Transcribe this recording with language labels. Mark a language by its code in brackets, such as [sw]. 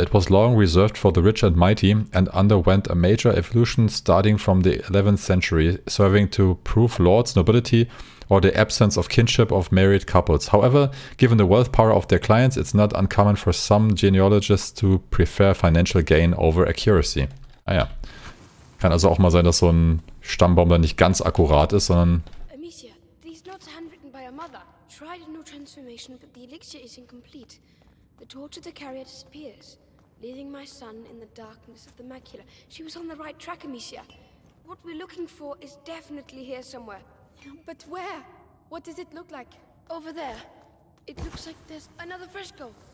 [en] It was long reserved for the rich and mighty and underwent a major evolution starting from the 11th century, serving to prove lords, nobility, or the absence of kinship of married couples. However, given the wealth power of their clients, it's not uncommon for some genealogists to prefer financial gain over accuracy. [de] Ah ja. Kann also auch mal sein, dass so ein Stammbaum dann nicht ganz akkurat ist, sondern... [en] Amicia, these notes are handwritten by your mother. Tried a new transformation, but the elixir is incomplete. The tortured carrier disappears, leaving my son in the darkness of the macula. She was on the right track, Amicia. What we're looking for is definitely here somewhere. But where? What does it look like? Over there. It looks like there's another fresco.